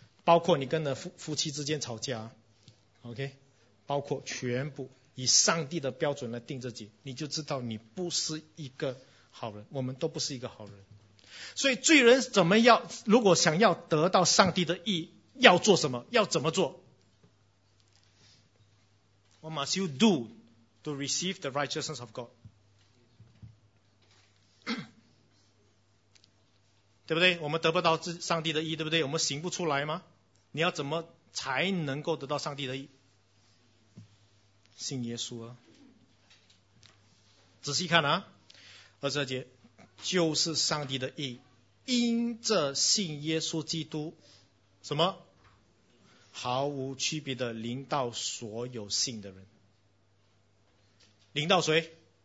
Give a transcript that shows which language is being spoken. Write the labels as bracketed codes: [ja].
[zh] 包括你跟的夫妻之间吵架 OK， 包括全部以上帝的标准来定自己，你就知道你不是一个好人，我们都不是一个好人。所以罪人怎么要，如果想要得到上帝的义要做什么，要怎么做？ [en] What must you do to receive the righteousness of God? [zh] 对不对？我们得不到上帝的义，对不对？我们行不出来吗？你要怎么才能够得到上帝的义？信耶稣啊。仔细看啊，22节，就是上帝的义因着信耶稣基督什么毫无区别的临到所有信的人，临到谁？